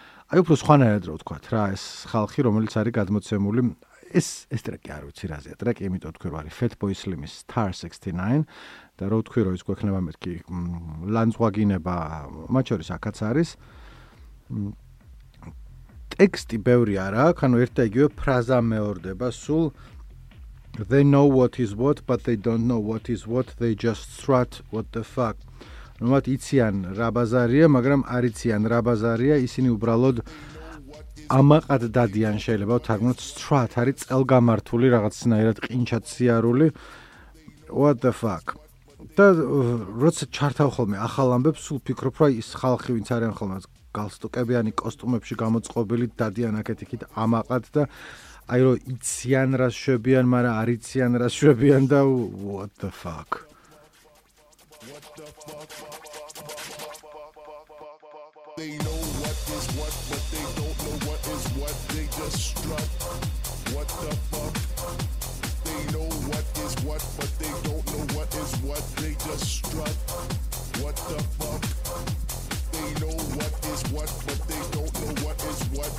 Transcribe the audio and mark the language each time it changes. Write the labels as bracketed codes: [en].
[ka] აი უფრო სხვანაირად რო ვთქვა რა, ეს ხალხი რომელიც არის გადმოცემული ეს ტრეკი არ ვიცი რაზეა ტრეკი, იმიტომ თქვი რომ არის Fatboy Slim-ის Star 69 და რო თქვი რომ ის გვექნება მეთქი ლანძღვაგინება, მათ შორის აქაც არის ტექსტი ბევრი არა აქ, ანუ ერთ და იგივე ფრაზა მეორდება სულ [en] They know what is what, but they don't know what is what. They just strut. What the fuck? [ka] Რომათ იციან რა ბაზარია, მაგრამ არ იციან რა ბაზარია, ისინი უბრალოდ ამაყად დადიან, შეიძლება ვთარგმნოთ strut არის წელგამართული რაღაცნაირად ყინჩად სიარული. [en] What the fuck? [ka] და როცა ჩართავ ხოლმე ახალ ამბებს, სულ ფიქრობ, რომ ის ხალხი ვინც არიან ხოლმე გალსტუკებიანი კოსტუმებში გამოწყობილი დადიან აქეთ-იქით ამაყად და აი რომ იციან რა შვებიან, მაგრამ არ იციან რა შვებიან და [en] what the fuck? They know what is what, but they don't know what is what. They just strut. What the fuck? They know what is what, but they don't know what is what. They just strut. What the fuck? They know what is what, but they don't know what is what.